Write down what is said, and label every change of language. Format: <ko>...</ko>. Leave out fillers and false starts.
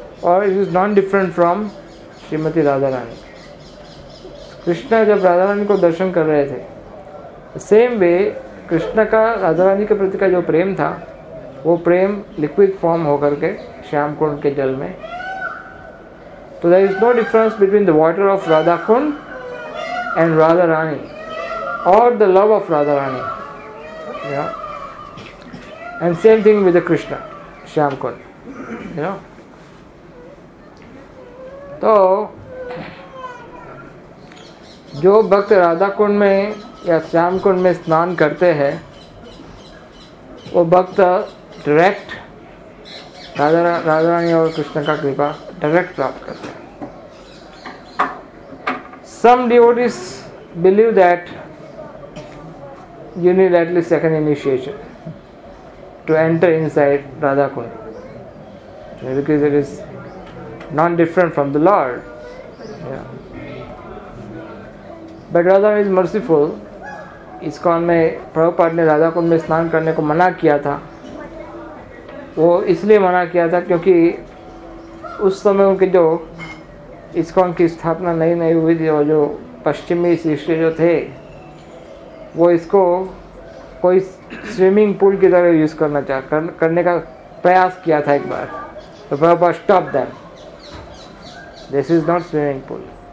<hi>और</hi> <en>it is not different from</en> <hi>Shrimati Radha Rani. Krishna जब राधा रानी को दर्शन कर रहे थे, सेम वे कृष्णा का राधा रानी के प्रति का जो प्रेम था, वो प्रेम लिक्विड फॉर्म होकर के श्याम कुंड के जल में।</hi> <en>तो there is no difference between the water of Radha Kund and Radha Rani और the love of Radha Rani. And same thing with the Krishna, Shyam Kund, you know.</en> <hi>तो जो भक्त राधा कुंड में या श्याम कुंड में स्नान करते हैं, वो भक्त डायरेक्ट राधा रानी और कृष्ण का कृपा डायरेक्ट प्राप्त करते हैं।</hi> <en>Some devotees believe that you need at least second initiation to enter inside Radha Kund, because it is non-different from the Lord. Yeah. But Radha is merciful.</en> <hi>ISKCON में प्रभुपाद ने राधा कुंड में स्नान करने को मना किया था। वो इसलिए मना किया था क्योंकि उस समय उनके जो इस्कॉन की स्थापना नई नई हुई थी, और जो पश्चिमी शिष्य जो थे, वो इसको कोई स्विमिंग पूल की तरह यूज़ करना चाह करने का प्रयास किया था एक बार, तो Prabhupada</hi> <en>Stop them, this is not swimming pool.</en>